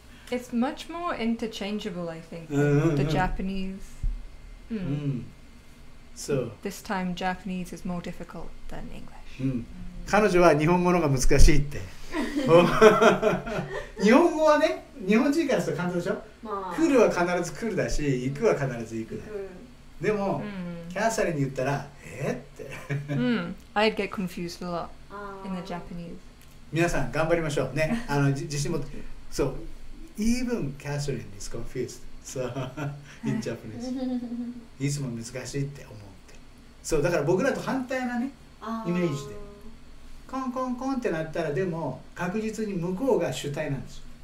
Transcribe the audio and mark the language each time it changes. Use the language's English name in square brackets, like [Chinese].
[English] It's much more interchangeable, I think, than the Japanese. So. This time, Japanese is more difficult than English. [Japanese] 彼女は日本語の方が難しいって。日本語はね、日本人からすると簡単でしょ、まあ、来るは必ず来るだし、行くは必ず行くだ。でも、キャサリンに言ったら、って。うん。 [English] I'd get confused a lot in the Japanese. [Japanese] 皆さん、頑張りましょう。ね。自信持って。そう。 [English] Even Catherine is confused. So, in Japanese. [Japanese] いつも難しいって思って。そう、だから僕らと反対なね、イメージで。コンコンコンってなったら、でも、確実に向こうが主体なんですよ。